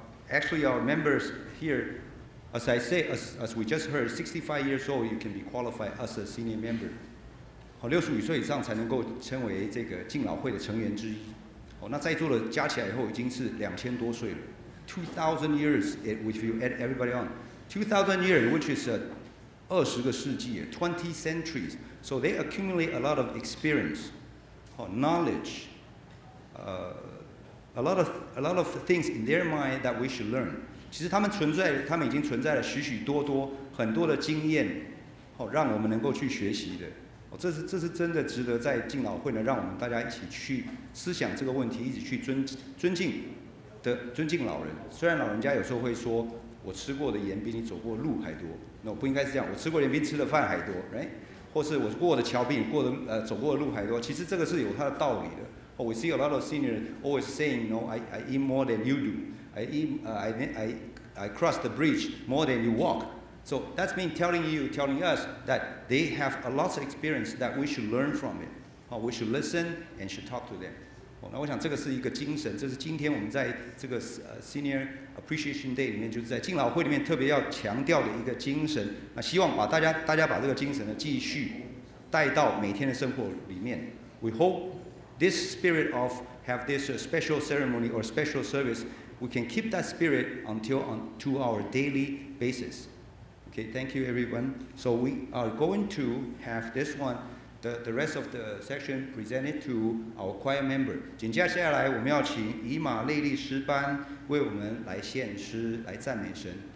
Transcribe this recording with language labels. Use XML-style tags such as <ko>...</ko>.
<en>Actually our members hereas I say, as we just heard, 65 years old, you can be qualified as a senior member.</en> <zh>65岁以上才能够成为这个敬老会的成员之一。那在座的加起来以后已经是2000多岁了。</zh> <en>2000 years, if you add everybody on. 2000 years, which is</en> <zh>20个世纪</zh> <en>,20 centuries. So they accumulate a lot of experience, knowledge, a lot of things in their mind that we should learn.</en> <zh>其实他们已经存在了许许多多很多的经验，哦，让我们能够去学习的，哦，这是真的值得在敬老会呢，让我们大家一起去思想这个问题，一起去尊敬老人。虽然老人家有时候会说，我吃过的盐比你走过路还多，那我不应该是这样，我吃过盐比吃的饭还多，或是我过的桥比你走过的路还多，其实这个是有它的道理的。</zh> <en>Oh, we see a lot of seniors always saying, "No, I eat more than you do." I cross the bridge more than you walk. So that's been telling us that they have a lot of experience that we should learn from it. We should listen and should talk to them.</en> <zh>那我想这个是一个精神，这是今天我们在这个Senior Appreciation Day 里面，就是在敬老会里面特别要强调的一个精神。那希望把大家把这个精神呢继续带到每天的生活里面。</zh> <en>We hope this spirit of have this special ceremony or special service. We can keep that spirit until on to our daily basis. Okay, thank you everyone. So we are going to have this one, the rest of the section presented to our choir member.</en> <zh>紧接下来我们要请以马内利诗班为我们来献诗，来赞美神。</zh>